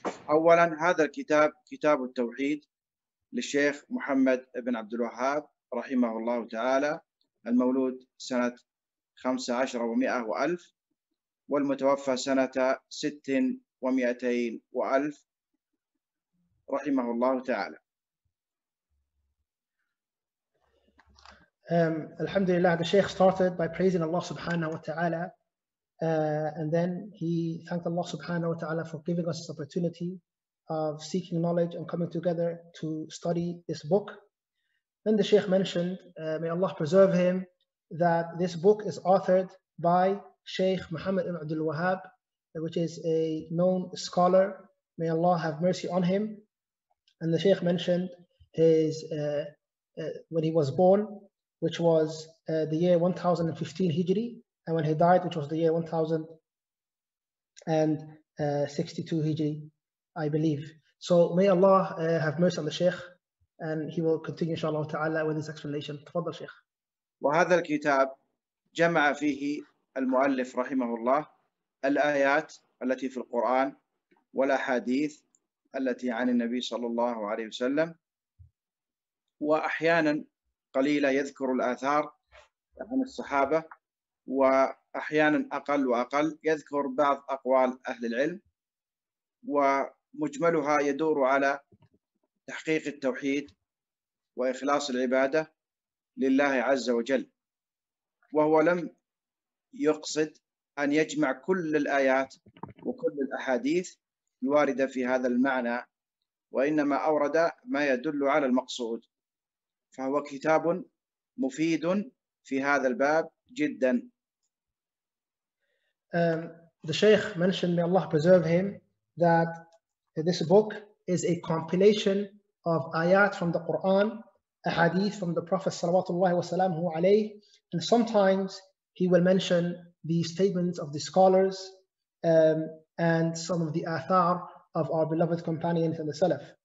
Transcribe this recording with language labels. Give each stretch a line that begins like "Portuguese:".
Arabic: أولا، هذا الكتاب كتاب التوحيد للشيخ محمد بن عبد الوهاب رحمه الله تعالى، المولود سنة 1500 والمتوفى سنة 1200 رحمه الله تعالى.
English: Alhamdulillah, the Shaykh started by praising Allah subhanahu wa ta'ala, and then he thanked Allah subhanahu wa ta'ala for giving us this opportunity of seeking knowledge and coming together to study this book. Then the Shaykh mentioned, may Allah preserve him, that this book is authored by Shaykh Muhammad ibn Abdul Wahhab, which is a known scholar. May Allah have mercy on him. And the Shaykh mentioned his when he was born, which was the year 1015 Hijri, and when he died, which was the year 1062 Hijri, I believe. So may Allah have mercy on the Shaykh, and he will continue, inshallah ta'ala, with his explanation.
Arabic: Tafadhal, Shaykh. وهذا الكتاب جمع فيه المؤلف رحمه الله الآيات التي في القرآن والأحاديث التي عن النبي صلى الله عليه وسلم، وأحيانا قليلة يذكر الآثار عن الصحابة، وأحيانا أقل وأقل يذكر بعض أقوال أهل العلم، ومجملها يدور على تحقيق التوحيد وإخلاص العبادة لله عز وجل، وهو لم يقصد أن يجمع كل الآيات وكل الأحاديث الواردة في هذا المعنى، وإنما أورد ما يدل على المقصود، فهو كتاب مفيد في هذا الباب جدا.
English: The Sheikh mentioned, may Allah preserve him, that this book is a compilation of ayat from the Quran, a hadith from the Prophet sallallahu wasallam alayhi, and sometimes he will mention the statements of the scholars and some of the athar of our beloved companions and the Salaf.